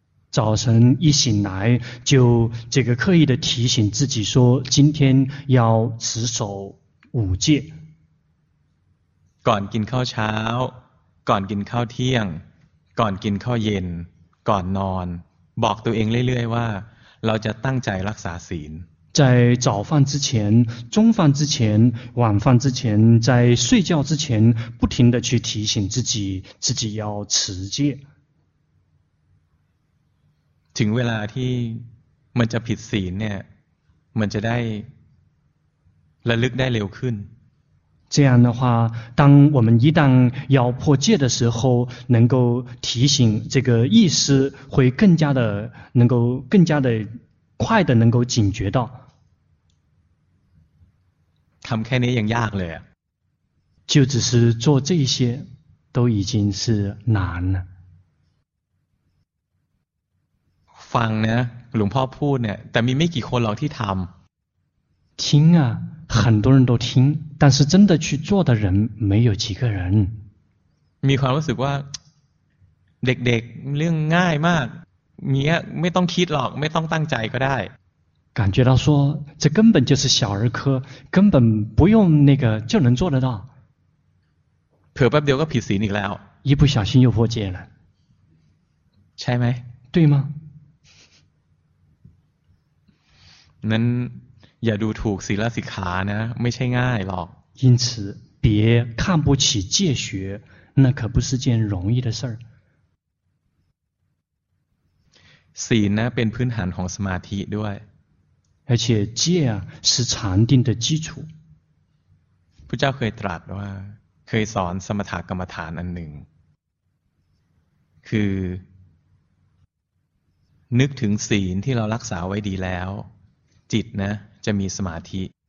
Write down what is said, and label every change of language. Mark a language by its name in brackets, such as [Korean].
[Chinese] 早晨一醒来就这个刻意的提醒自己说今天要持守五戒 [Thai] ก่อนกินข้าวเช้าก่อนกินข้าวเที่ยงก่อนกินข้าวเย็นก่อนนอนบอกตัวเองเรื่อยๆว่าเราจะตั้งใจรักษาศีล [Chinese] 在早饭之前中饭之前晚饭之前在睡觉之前不停地去提醒自己要持戒 [Thai] ถึงเวลาที่มันจะผิดศีลเนี่ยมันจะได้ระลึกได้เร็วขึ้น [Chinese] 这样的话当我们一旦要破戒的时候能够提醒这个意识会更加的能够更加的快的能够警觉到 [Thai] ทำแค่นี้ยังยากเลย [Chinese] 就只是做这些都已经是难了 [Thai] ฟังนะหลวงพ่อพูดเนี่ยแต่มีไม่กี่คนหรอกที่ทำ [Chinese] 听啊很多人都听但是真的去做的人没有几个人 [Thai] มีความรู้สึกว่าเด็กๆเรื่องง่ายมากมีไม่ต้องคิดหรอกไม่ต้องตั้งใจก็ได้ [Chinese] 感觉到说这根本就是小儿科根本不用那个就能做得到 [Thai] ผลอแป๊บเดียวก็ผิดศีลอีกแล้ว [Chinese] 一不小心又破戒了 [Thai] ใช่ไหม [Chinese] 对吗 [Thai] นั้นอย่าดูถูกศีลสิกขานะไม่ใช่ง่ายหรอก [Chinese] 因此别看不起戒学那可不是件容易的事儿 [Thai] ศีลนะเป็นพื้นฐานของสมาธิด้วย [Chinese] 而且戒啊是禅定的基础 [Thai] พระเจ้าเคยตรัสว่าเคยสอนสมถกรรมฐานอันหนึ่งคือนึกถึงศีลที่เรารักษาไว้ดีแล้วจิตนะจะมีสมาธิ